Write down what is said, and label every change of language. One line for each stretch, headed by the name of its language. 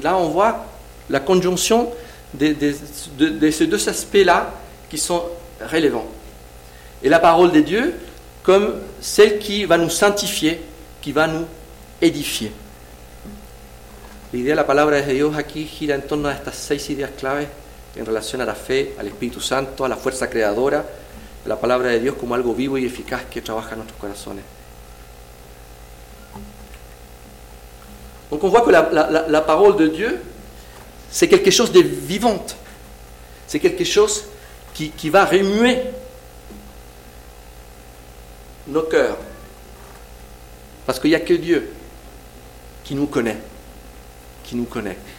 French: Là, on voit la conjonction de ces deux aspects-là qui sont relevants. Et la parole de Dieu comme celle qui va nous sanctifier, qui va nous édifier. L'idée de la parole de Dieu ici
Spanish: gira en torno a estas seis ideas claves. En relación a la fe, al Espíritu Santo, a la fuerza creadora, a la palabra de Dios como algo vivo y eficaz que trabaja en nuestros corazones.
French: Donc on voit que la parole de Dieu, c'est quelque chose de vivante. C'est quelque chose qui va remuer nos cœurs. Parce qu'il n'y a que Dieu qui nous connaît. Qui nous connaît.